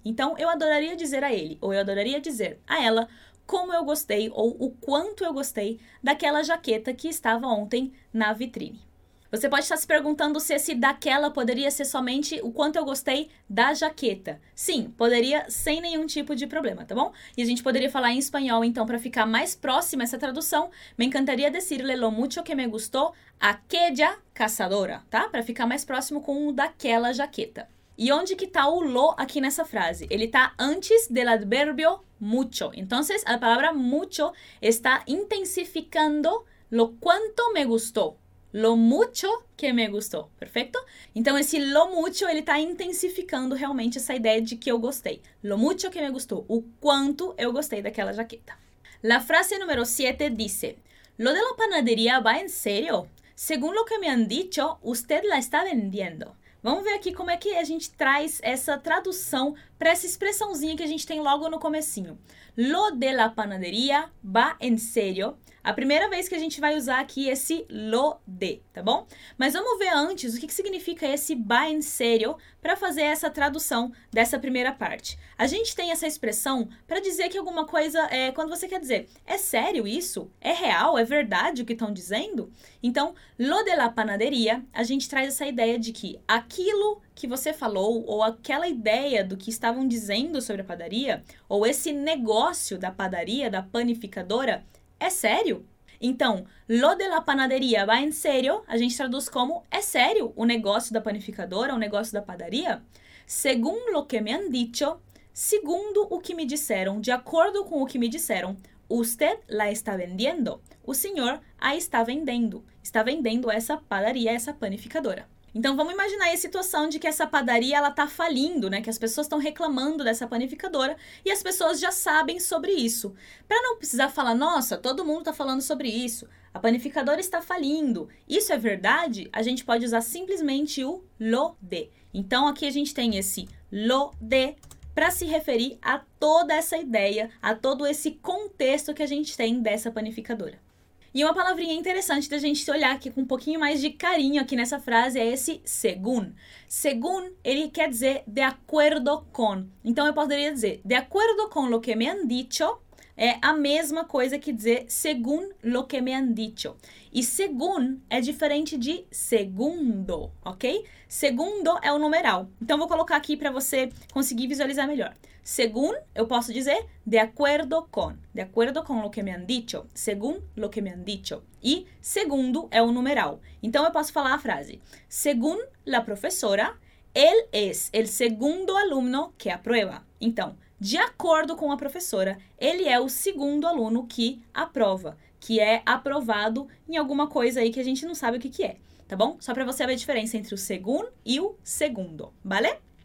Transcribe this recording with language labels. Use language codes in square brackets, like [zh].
[pt] Então, eu adoraria dizer a ele, ou eu adoraria dizer a ela, como eu gostei, ou o quanto eu gostei, daquela jaqueta que estava ontem na vitrine. Você pode estar se perguntando se esse daquela poderia ser somente o quanto eu gostei da jaqueta. Sim, poderia sem nenhum tipo de problema, tá bom? E a gente poderia falar em espanhol, então, para ficar mais próxima essa tradução. [es] Me encantaría decirle lo mucho que me gustó aquella caçadora, tá? [pt] Para ficar mais próximo com o daquela jaqueta. E onde que tá o lo aqui nessa frase? Ele tá antes [es] del adverbio [pt] mucho. Então, a palavra mucho está intensificando [es] lo cuanto me gustó. Lo mucho que me gustó, [pt] perfeito? Então, esse lo mucho, ele está intensificando realmente essa ideia de que eu gostei. [es] Lo mucho que me gustó, [pt] o quanto eu gostei daquela jaqueta. [es] La frase número 7 dice, lo de la panadería va en serio? Según lo que me han dicho, usted la está vendiendo. [pt] Vamos ver aqui como é que a gente traz essa tradução para essa expressãozinha que a gente tem logo no comecinho. [es] Lo de la panadería va en serio. [pt] A primeira vez que a gente vai usar aqui esse lo de, tá bom? Mas vamos ver antes o que significa esse va en serio para fazer essa tradução dessa primeira parte. A gente tem essa expressão para dizer que alguma coisa é quando você quer dizer é sério isso? É real? É verdade o que estão dizendo? Então, [es] lo de la panadería, [pt] a gente traz essa ideia de que aquilo que você falou ou aquela ideia do que estavam dizendo sobre a padaria ou esse negócio da padaria, da panificadora, é sério? Então, [es] lo de la panadería va en serio? [pt] A gente traduz como é sério o negócio da panificadora, o negócio da padaria? [es] Según lo que me han dicho, [pt] segundo o que me disseram, de acordo com o que me disseram, [es] usted la está vendiendo? [pt] O senhor a está vendendo. Está vendendo essa padaria, essa panificadora. Então, vamos imaginar a situação de que essa padaria ela está falindo, né? Que as pessoas estão reclamando dessa panificadora e as pessoas já sabem sobre isso. Para não precisar falar, nossa, todo mundo está falando sobre isso. A panificadora está falindo. Isso é verdade? A gente pode usar simplesmente o lo de. Então, aqui a gente tem esse lo de para se referir a toda essa ideia, a todo esse contexto que a gente tem dessa panificadora. E uma palavrinha interessante da gente olhar aqui com um pouquinho mais de carinho aqui nessa frase é esse según. Según, ele quer dizer de acordo com. Então, eu poderia dizer de acordo com [es] lo que me han dicho [pt] é a mesma coisa que dizer [es] según lo que me han dicho. [pt] E según é diferente de segundo, ok? Segundo é o numeral. Então, vou colocar aqui para você conseguir visualizar melhor. Según, eu posso dizer [es] de acuerdo con. De acuerdo con lo que me han dicho. Según lo que me han dicho. [pt] E segundo é o numeral. Então, eu posso falar a frase. [es] Según la profesora, él es el segundo alumno que aprueba. [pt] Então, de acordo com a professora, ele é o segundo aluno que aprova, que é aprovado em alguma coisa aí que a gente não sabe o que, que é, tá bom? Só para você ver a diferença entre o según e o segundo, vale?